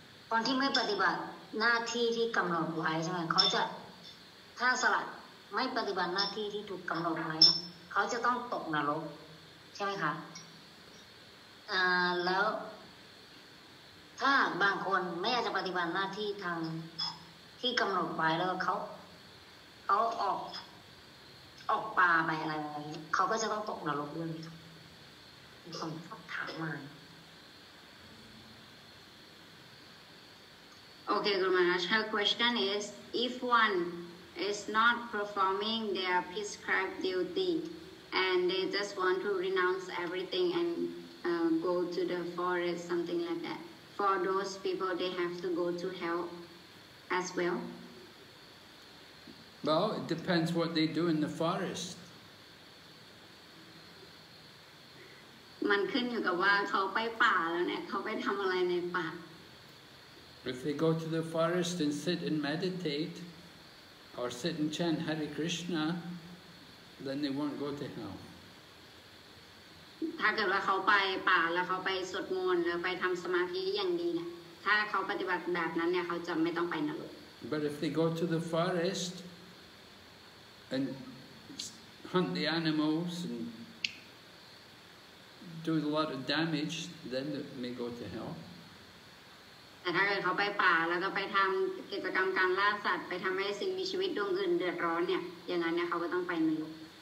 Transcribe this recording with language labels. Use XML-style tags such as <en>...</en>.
<th>คนที่ไม่ปฏิบัติหน้าที่ที่กำหนดไว้ใช่ไหมเขาจะถ้าสลัดไม่ปฏิบัติหน้าที่ที่ถูกกำหนดไว้เขาจะต้องตกนรกใช่ไหมคะแล้วถ้าบางคนไม่อาจจะปฏิบัติหน้าที่ทางที่กำหนดไว้แล้วเขาออกป่าไปอะไรเขาก็จะต้องตกนรกด้วยมีคนชอบถามมา</th> <en>Okay, Guru Maharaj, her question is, if one is not performing their prescribed duty and they just want to renounce everything and go to the forest, something like that, for those people, they have to go to hell as well? Well, it depends what they do in the forest.</en> <th>มันขึ้นอยู่กับว่าเขาไปป่าแล้วเนี่ยเขาไปทำอะไรในป่า</th> <en>If they go to the forest and sit and meditate, or sit and chant Hare Krishna, then they won't go to hell.</en> <th>ถ้าเกิดว่าเขาไปป่าแล้วเขาไปสวดมนต์แล้วไปทำสมาธิอย่างดีนะถ้าเขาปฏิบัติแบบนั้นเนี่ยเขาจะไม่ต้องไปนรก</th> <en>But if they go to the forest and hunt the animals and do a lot of damage, then they may go to hell.</en> <th>แต่ถ้าเกิดเขาไปป่าแล้วก็ไปทำกิจกรรมการล่าสัตว์ไปทำให้สิ่งมีชีวิตดวงอื่นเดือดร้อนเนี่ยอย่างนั้นเนี่ยเขาก็ต้องไปนรก</th>